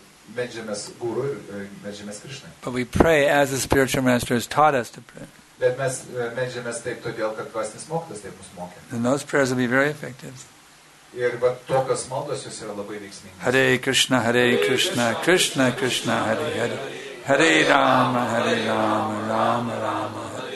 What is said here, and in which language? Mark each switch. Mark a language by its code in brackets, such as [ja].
[lt] Medžiamės guru ir medžiamės Krišnai. [en] But we pray as the spiritual master has taught us to pray. [lt] Bet mes medžiamės taip todėl, kad dvasinis mokytas taip mus mokė. [en] And those prayers will be very effective. [lt] Ir va tokios maldos jos yra labai veiksmingos. [sa] Hare Krishna, Hare Krishna, Krishna Krishna, Hare Hare. Hare Rama, Hare Rama, Rama Rama.